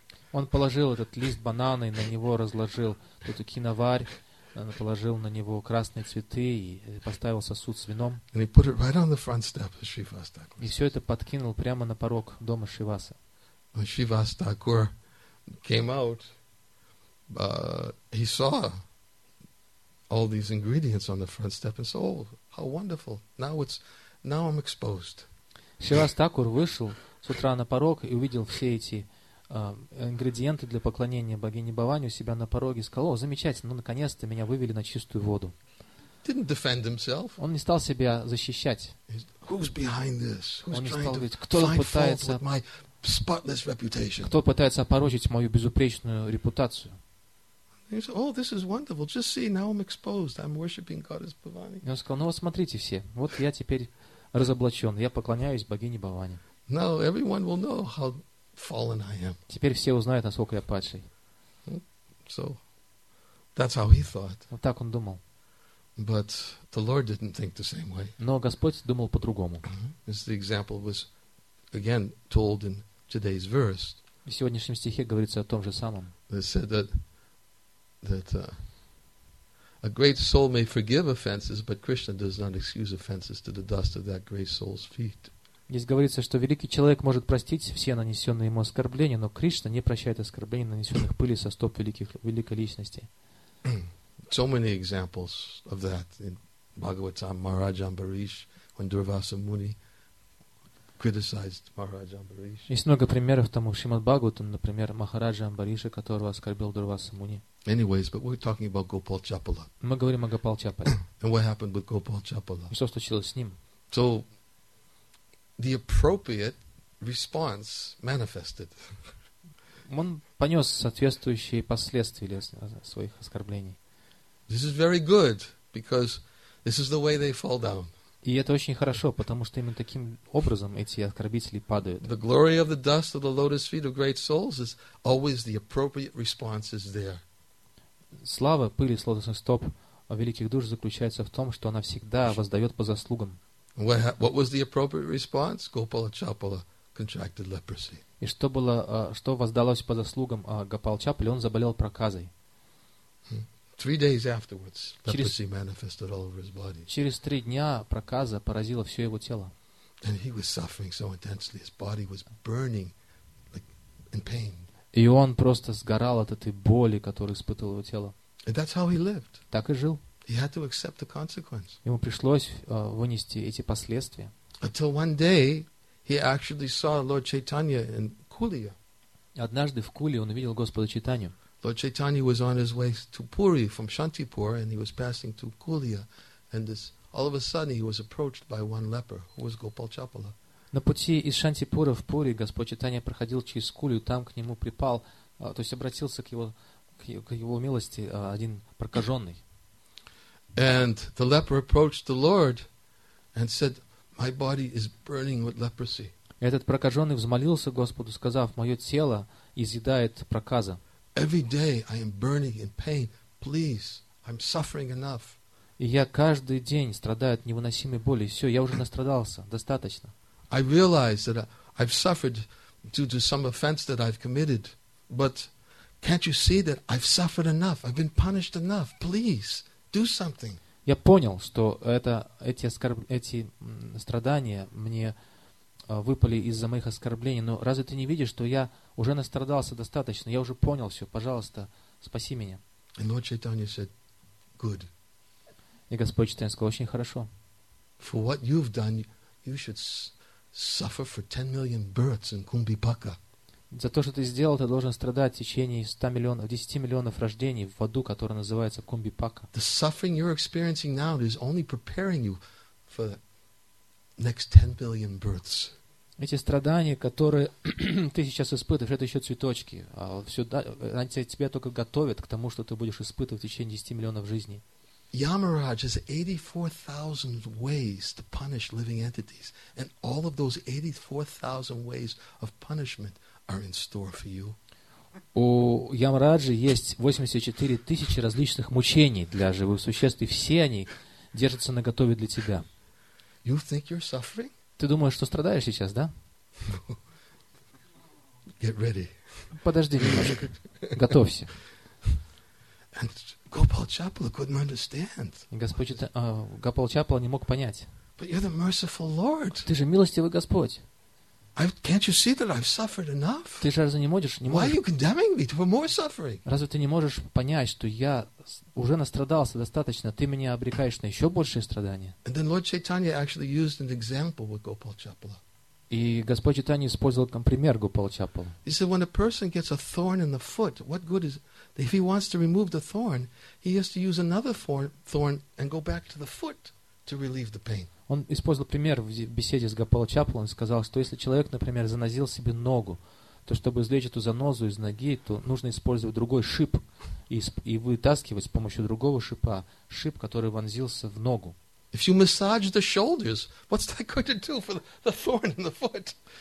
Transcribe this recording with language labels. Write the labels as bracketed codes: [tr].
[ru] Он положил этот лист банана и на него разложил эту киноварь, положил на него красные цветы и поставил сосуд с вином. [en] And he put it right on the front step of Shrivas Thakur. [ru] И все это подкинул прямо на порог дома Шиваса. [en] When Shrivas Thakur came out, he saw all these ingredients on the front step and said, "Oh, how wonderful! Now I'm exposed." [ru] Шривас Такур вышел с утра на порог и увидел все эти ингредиенты для поклонения богине Бхавани у себя на пороге и сказал: «О, замечательно, ну наконец-то меня вывели на чистую воду». [en] Didn't defend himself. [ru] Он не стал себя защищать. [en] Who's behind this? [ru] Он не стал говорить, кто пытается опорочить мою безупречную репутацию. [en] He said, "Oh, this is wonderful. Just see, now I'm exposed. I'm worshiping goddess Bhavani." [ru] Он сказал: «Ну вот смотрите все, вот я теперь разоблачен, я поклоняюсь богине Бхавани». [en] Now everyone will know how fallen I am. [ru] Теперь все узнают, насколько я падший. [en] So that's how he thought. [ru] Вот так он думал. [en] But the Lord didn't think the same way. [ru] Но Господь думал по-другому. [en] This example was again told in today's verse. [ru] В сегодняшнем стихе говорится о том же самом. [en] They said that a great soul may forgive offenses, but Krishna does not excuse offenses to the dust of that great soul's feet. [ru] Здесь говорится, что великий человек может простить все нанесенные ему оскорбления, но Кришна не прощает оскорблений, нанесенных пыли со стоп великой личности. [en] So many examples of that in Bhagavatam. Maharaj Ambarish, when Durvasa Muni criticized Maharaj Ambarish. [ru] Есть много примеров тому, Шримад Бхагаватам, например, Махараджа Амбариша, которого оскорбил Дурваса Муни. [en] Anyways, but we're talking about Gopal Chapala. [ru] Мы говорим о Гопал Чапале. [en] And what happened with Gopal Chapala? [ru] Что случилось с ним? [en] So the appropriate response manifested. [ru] Он понес соответствующие последствия своих оскорблений. [en] This is very good because this is the way they fall down. [ru] И это очень хорошо, потому что именно таким образом эти оскорбители падают. [en] The glory of the dust of the lotus feet of great souls is always the appropriate response is there. [ru] Слава пыли с лотосных стоп великих душ заключается в том, что она всегда воздает по заслугам. [en] What was the appropriate response? Gopala Chapala contracted leprosy. [ru] И что было, что воздалось по заслугам Гопал Чапали, он заболел проказой. [en] Three days afterwards, leprosy manifested all over his body. [ru] Через три дня проказа поразила все его тело. [en] And he was suffering so intensely, his body was burning, like in pain. [ru] И он просто сгорал от этой боли, которую испытывал его тело. [en] And that's how he lived. [ru] Так и жил. [en] He had to accept the consequence. [ru] Ему пришлось вынести эти последствия. [en] Until one day, he actually saw Lord Chaitanya in Kulia. [ru] Однажды в Куле он увидел Господа Чайтанью. [en] Lord Chaitanya was on his way to Puri from Shantipur, and he was passing through Kulia, and this all of a sudden he was approached by one leper who was Gopal Chapala. [ru] На пути из Шантипура в Пури Господь Чайтанья проходил через Кулию, там к нему припал, то есть обратился к его милости один прокаженный. [en] And the leper approached the Lord and said, "My body is burning with leprosy." [ru] Этот прокаженный взмолился Господу, сказав: "Мое тело изъедает проказа." [en] Every day I am burning in pain. Please, I'm suffering enough. [ru] И я каждый день страдаю от невыносимой боли. Все, я уже настрадался. Достаточно. [en] I realize that I've suffered due to some offense that I've committed. But can't you see that I've suffered enough? I've been punished enough. Please, do something. [ru] Я понял, что эти страдания мне выпали из-за моих оскорблений. Но разве ты не видишь, что я уже настрадался достаточно? Я уже понял все. Пожалуйста, спаси меня. [en] And Lord Chaitanya said, good. [ru] И Господь Чайтанья сказал, очень хорошо. [en] For what you've done, you should suffer for 10 million births in Kumbhipaka. [ru] За то, что ты сделал, ты должен страдать в течение 10 миллионов рождений в аду, которая называется Кумбхипака. [en] The suffering you're experiencing now is only preparing you for the next 10 billion births. [ru] Эти страдания, которые ты сейчас испытываешь, это еще цветочки. Они тебя только готовят к тому, что ты будешь испытывать в течение 10 миллионов жизней. [en] Yamaraj has 84,000 ways to punish living entities. And all of those 84,000 ways of punishment are in store for you. [ru] У Ямараджи есть 84 тысячи различных мучений для живых существ, и все они держатся наготове для тебя. [en] You think you're suffering? [ru] Ты думаешь, что страдаешь сейчас, да? [en] Get ready. [ru] Подожди немножко. Готовься. [en] And Gopal Chapala couldn't understand. [ru] Gopal Chapala не мог понять. [en] But you're the merciful Lord. [ru] Ты же милостивый Господь. [en] Can't you see that I've suffered enough? [ru] Ты же разве не можешь? [en] Why are you condemning me to more suffering? [ru] Разве ты не можешь понять, что я уже настрадался достаточно, ты меня обрекаешь на еще большие страдания? [en] And then Lord Chaitanya actually used an example with Gopal Chapala. [ru] И Господь Чайтанья использовал как пример Гопал Чапалу. [en] He said, when a person gets a thorn in the foot, what good is it? If he wants to remove the thorn, he has to use another thorn and go back to the foot to relieve the pain. [ru] Он использовал пример в беседе с Гопал Чапалом и сказал, что если человек, например, занозил себе ногу, то чтобы излечить эту занозу из ноги, то нужно использовать другой шип и вытаскивать с помощью другого шипа шип, который вонзился в ногу. [en] If you massage the shoulders, what's that going to do for the thorn in the foot?